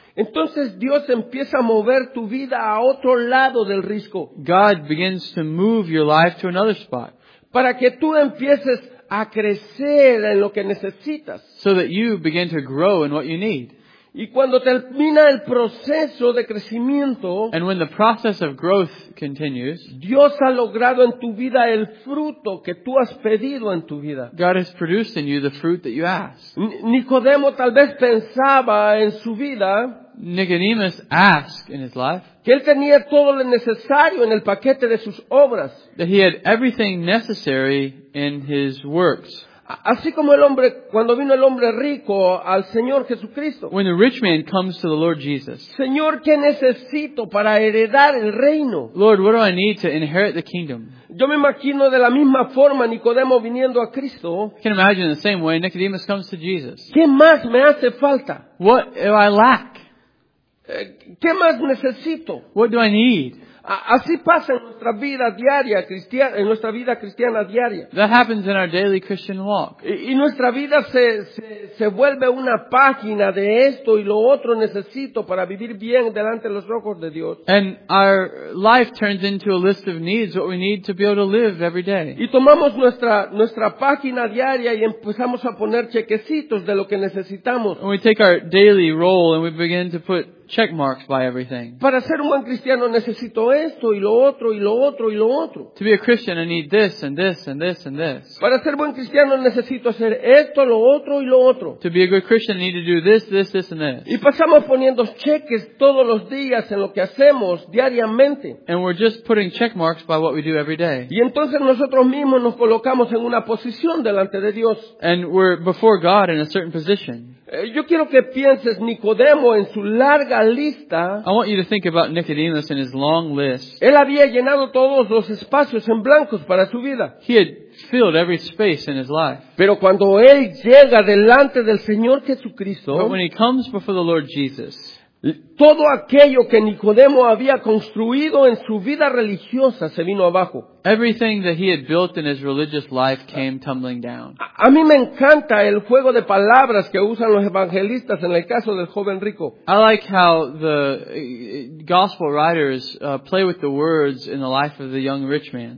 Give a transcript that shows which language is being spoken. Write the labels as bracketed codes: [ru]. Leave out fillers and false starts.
[es] Entonces Dios empieza a mover tu vida a otro lado del risco. [en] God begins to move your life to another spot. [es] Para que tú empieces a crecer en lo que necesitas. [en] So that you begin to grow in what you need. [es] Y cuando termina el proceso de crecimiento, [en] and when the process of growth continues, [es] Dios ha logrado en tu vida el fruto que tú has pedido en tu vida. [en] God has produced in you the fruit that you asked. [es] Nicodemo tal vez pensaba en su vida, [en] Nicodemus asked in his life, [es] que él tenía todo lo necesario en el paquete de sus obras. [en] That he had everything necessary in his works. [es] Así como el hombre, cuando vino el hombre rico al Señor Jesucristo. [en] When the rich man comes to the Lord Jesus. [es] Señor, ¿qué necesito para heredar el reino? [en] Lord, what do I need to inherit the kingdom? [es] Yo me imagino de la misma forma Nicodemo viniendo a Cristo. [en] I can imagine the same way Nicodemus comes to Jesus. [es] ¿Qué más me hace falta? [en] What do I lack? [es] ¿Qué más necesito? [en] What do I need? [es] Así pasa en nuestra vida diaria cristiana, en nuestra vida cristiana diaria. [en] That happens in our daily Christian walk. [es] Y nuestra vida se vuelve una página de esto y lo otro necesito para vivir bien delante de los ojos de Dios. [en] And our life turns into a list of needs, what we need to be able to live every day. [es] Y tomamos nuestra página diaria y empezamos a poner chequecitos de lo que necesitamos. [en] And we take our daily roll and we begin to put check marks by everything. [es] Para ser un buen cristiano necesito esto y lo otro y lo otro y lo otro. [en] To be a Christian I need this and this and this and this. [es] Para ser buen cristiano necesito hacer esto, lo otro y lo otro. [en] To be a good Christian I need to do this, this, this and this. [es] Y pasamos poniendo cheques todos los días en lo que hacemos diariamente. [en] And we're just putting check marks by what we do every day. [es] Y entonces nosotros mismos nos colocamos en una posición delante de Dios. [en] And we're before God in a certain position. [es] Yo quiero que pienses Nicodemo en su larga lista. [en] I want you to think about Nicodemus in his long list. [es] Él había llenado todos los espacios en blancos para su vida. [en] He had filled every space in his life. [es] Pero cuando él llega delante del Señor Jesucristo, [en] but when he comes before the Lord Jesus, [es] Todo aquello que Nicodemo había construido en su vida religiosa se vino abajo. [en] Everything that he had built in his religious life came tumbling down. [es] A mí me encanta el juego de palabras que usan los evangelistas en el caso del joven rico. [en] I like how the gospel writers play with the words in the life of the young rich man.